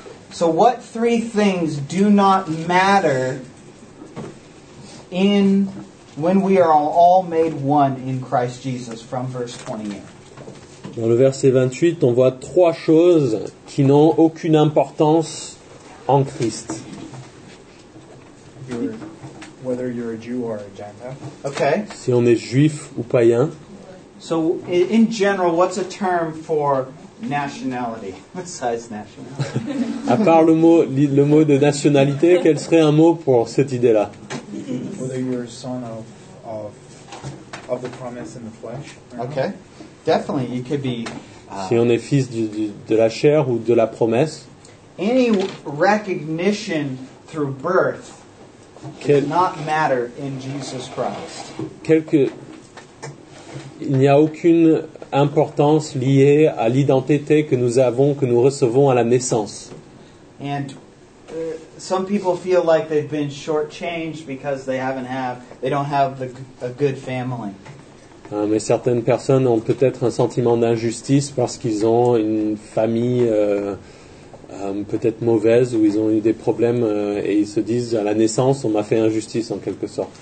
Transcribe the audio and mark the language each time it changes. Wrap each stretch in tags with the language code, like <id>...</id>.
<en>So, what three things do not matter in when we are all made one in Christ Jesus from verse 28?</en> <fr>Dans le verset 28, on voit trois choses qui n'ont aucune importance en Christ.</fr> <en>Whether you're a Jew or a Gentile. Okay.</en> <fr>Si on est juif ou païen.</fr> <en>So, in general, what's a term for nationality besides nationality?</en> <fr>À part le mot de nationalité, quel serait un mot pour cette idée-là?</fr> <en>Whether you're a son of the promise in the flesh. Okay. Definitely, you could be.</en> <fr>Si on est fils de la chair ou de la promesse.</fr> <en>Any recognition through birth does not matter in Jesus Christ.</en> <fr>Il n'y a aucune importance liée à l'identité que nous avons, que nous recevons à la naissance.</fr> <en>And some people feel like they've been shortchanged because they don't have a good family.</en> <fr>Mais certaines personnes ont peut-être un sentiment d'injustice parce qu'ils ont une famille peut-être mauvaise ou ils ont eu des problèmes et ils se disent à la naissance on m'a fait injustice en quelque sorte.</fr>